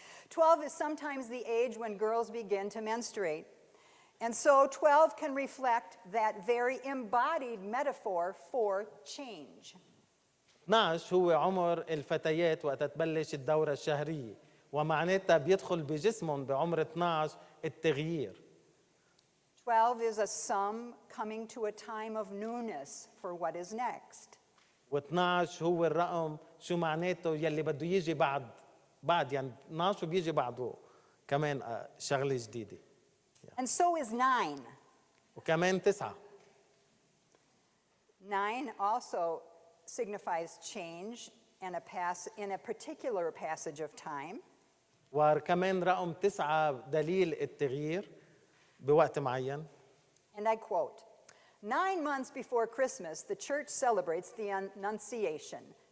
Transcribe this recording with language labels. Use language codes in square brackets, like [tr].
[en] 12 is sometimes the age when girls begin to menstruate. And so 12 can reflect that very embodied metaphor for change. [ar] 12 هو عمر الفتيات وقت تبلش الدورة الشهرية ومعناتها بيدخل بجسمهم بعمر 12 التغيير. [en] 12 is a sum coming to a time of newness for what is next. [ar] و12 هو الرقم شو معناته يلي بده يجي بعد يعني 12 بيجي بعده كمان شغلة جديدة. [en] And so is 9. [ar] وكمان 9. [en] 9 also signifies change in a particular passage of time. [ar] وكمان رقم 9 دليل التغيير بوقت معين. [en] And I quote, 9 months before Christmas, the church celebrates the Annunciation.